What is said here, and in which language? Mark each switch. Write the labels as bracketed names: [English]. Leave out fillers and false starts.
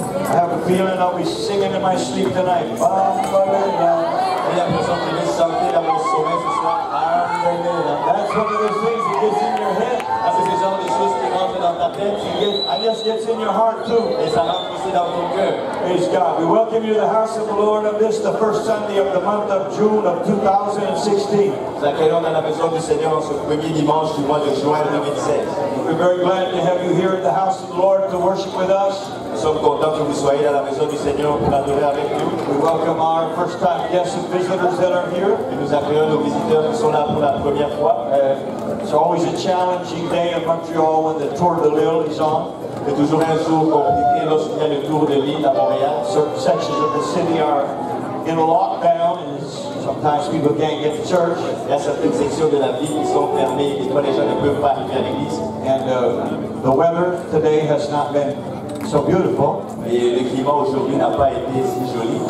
[English] I have a feeling that we're singing in my sleep tonight. [Zulu] Bambelela. [French] J'ai l'impression que vous chantez dans mon sommeil ce soir. [Zulu] Bambelela. [English] That's one of those things that gets in your head. [French] Ah, c'est ce genre de choses qui rentrent dans ta tête. [English] I guess gets in your heart too. [French] Et ça rentre aussi dans ton cœur. [English] Praise God. We welcome you to the house of the Lord on this, the first Sunday of the month of June of 2016. [French] Nous accueillons dans la maison du Seigneur ce premier dimanche du mois de juin 2016. [English] We're very glad to have you here at the house of the Lord to worship with us. [French] Nous sommes contents que vous soyez à la maison du Seigneur pour adorer avec nous. [English] We welcome our first time guests and visitors that are here. [French] Et nous accueillons nos visiteurs qui sont là pour la première fois. [English] It's always a challenging day in Montreal when the Tour de Lille is on. [French] C'est toujours un jour compliqué lorsqu'il y a le Tour de Lille à Montréal. [English] Certain sections of the city are in lockdown and sometimes people can't get to church. [French] Il y a certaines sections de la ville qui sont fermées et pas les gens ne peuvent pas arriver à l'église. [English] And the weather today has not been so beautiful. [French] Et le climat aujourd'hui n'a pas été si joli.